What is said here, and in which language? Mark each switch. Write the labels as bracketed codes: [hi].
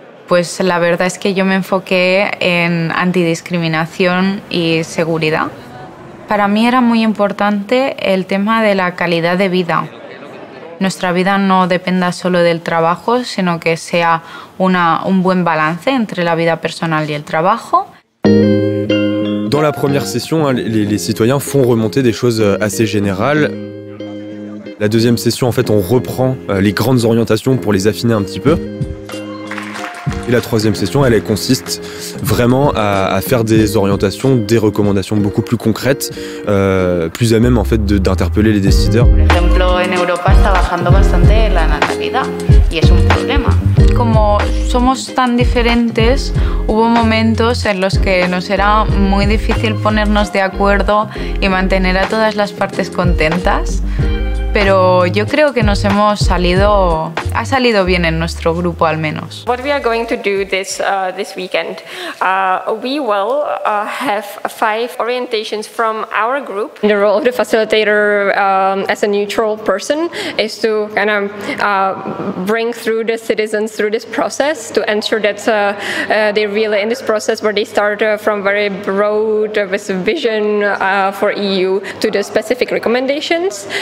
[es] Pues la verdad es que yo me enfoqué en antidiscriminación y seguridad. Para mí era muy importante el tema de la calidad de vida. Nuestra vida no dependa solo del trabajo, sino que sea un buen balance entre la vida personal y el trabajo. [fr] Dans la première session, les citoyens font remonter des choses assez générales. La deuxième session, en fait, on reprend les grandes orientations pour les affiner un petit peu. Et la troisième session, elle consiste vraiment à faire des orientations, des recommandations beaucoup plus concrètes, plus à même en fait d'interpeller les décideurs. Par exemple, en Europe, [es] está bajando bastante la natalidad y es un problema. Como somos tan diferentes, hubo momentos en los que nos era muy difícil ponernos de acuerdo y mantener a todas las partes contentas. Pero yo creo que nos hemos salido, ha salido bien en nuestro grupo al menos. [en] What we are going to do this weekend, we will have five orientations from our group. The role of the facilitator as a neutral person is to kind of bring through the citizens through this process to ensure that they really in this process where they start from very broad with a vision for EU to the specific recommendations.